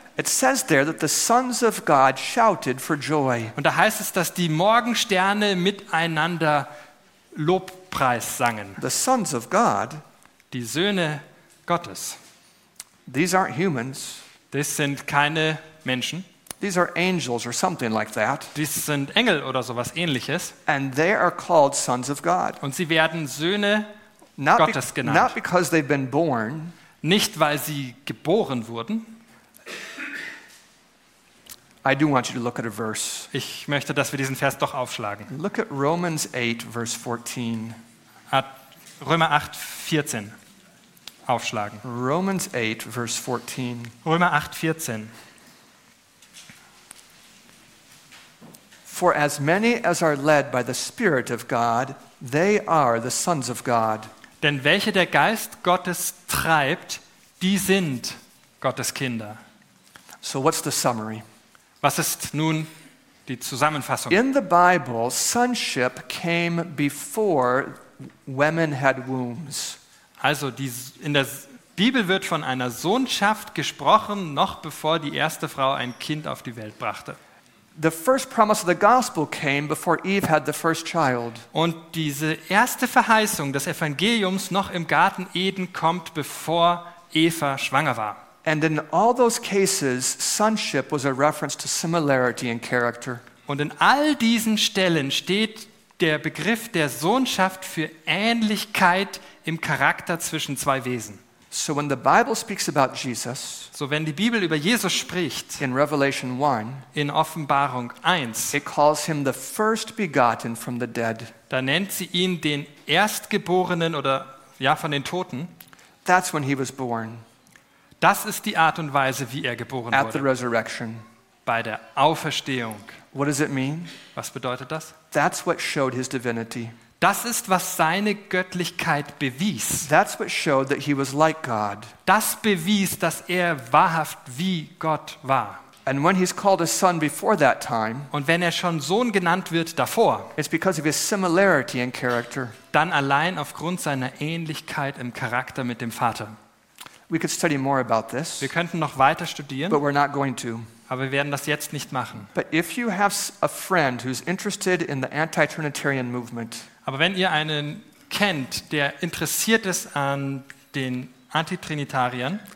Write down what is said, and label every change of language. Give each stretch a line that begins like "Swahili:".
English: It says there that the sons of God shouted for joy.
German: Und da heißt es, dass die Morgensterne miteinander Lobpreis sangen.
English: The sons of God,
German: die Söhne Gottes.
English: These aren't humans.
German: Das sind keine Menschen.
English: These are angels or something like that.
German: Dies sind Engel oder sowas ähnliches.
English: And they are called sons of God.
German: Und sie werden Söhne Gottes genannt.
English: Not because they've been born.
German: Nicht weil sie geboren wurden.
English: I do want you to look at a verse.
German: Ich möchte, dass wir diesen Vers doch aufschlagen.
English: Look at Romans 8 verse 14.
German: Römer 8, 14. Aufschlagen.
English: Romans 8 verse 14.
German: Römer 8, 14.
English: For as many as are led by the Spirit of God, they are the sons of God.
German: Denn welche der Geist Gottes treibt, die sind Gottes Kinder.
English: So what's the summary?
German: Was ist nun die Zusammenfassung?
English: In the Bible, sonship came before women had wombs.
German: Also in der Bibel wird von einer Sohnschaft gesprochen, noch bevor die erste Frau ein Kind auf die Welt brachte.
English: The first promise of the gospel came before Eve had the first child.
German: Und diese erste Verheißung des Evangeliums noch im Garten Eden kommt, bevor Eva schwanger war.
English: And in all those cases, sonship was a reference to similarity in character.
German: Und in all diesen Stellen steht der Begriff der Sohnschaft für Ähnlichkeit im Charakter zwischen zwei Wesen.
English: So when the Bible speaks about Jesus,
German: so wenn die Bibel über Jesus spricht,
English: in Revelation 1,
German: in Offenbarung 1,
English: it calls him the first begotten from the dead.
German: Da nennt sie ihn den Erstgeborenen oder ja von den Toten.
English: That's when he was born.
German: Das ist die Art und Weise, wie er geboren
English: at
German: wurde.
English: The resurrection.
German: Bei der Auferstehung.
English: What does it mean?
German: Was bedeutet das?
English: That's what showed his divinity.
German: Das ist, was seine Göttlichkeit bewies.
English: That's what showed that he was like God.
German: Das bewies, dass er wahrhaft wie Gott war.
English: And when he's called a son before that time,
German: und wenn er schon Sohn genannt wird davor,
English: it's because of his similarity in character.
German: Dann allein aufgrund seiner Ähnlichkeit im Charakter mit dem Vater.
English: We could study more about this.
German: Wir könnten noch weiter studieren.
English: But we're not going to.
German: Aber wir werden das jetzt nicht machen.
English: But if you have a friend who's interested in the anti-Trinitarian movement.
German: Aber wenn ihr einen kennt, der interessiert ist an den Antitrinitariern.